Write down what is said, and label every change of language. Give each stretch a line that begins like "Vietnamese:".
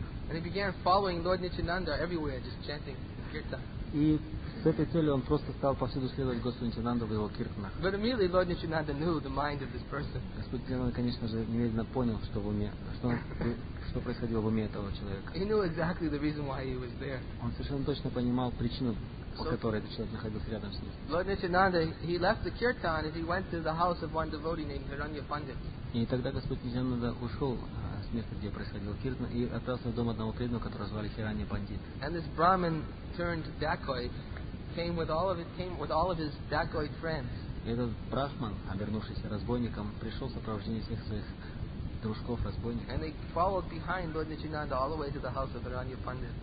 English: And he began following Lord Nityananda everywhere, just chanting kirtan.
Russian: И с этой целью он просто стал повсюду следовать Господу Нитянанду в его киртанах.
English: But immediately Lord Nityananda knew the mind of this person.
Russian: Господь Нитянанда, конечно же, немедленно понял, что в уме, что происходило в уме этого человека.
English: He knew exactly the reason why he was there.
Russian: Он совершенно точно понимал причину, по которой этот человек находился рядом с ним.
English: Lord Nityananda, he left the kirtan and he went to the house of one devotee named Hiranya Pandit.
Russian: И тогда Господь Нитянанда ушел. Место, где происходил киртан, и отправился в дом одного преданного, которого звали Хирани Пандит.
English: And this Brahmin turned dacoit came with all of his dacoit friends.
Russian: И этот брахман, обернувшийся разбойником, пришел в сопровождении всех своих дружков разбойников.
English: And they followed behind Lord Nityananda all the way to the house of Hirani Pandit.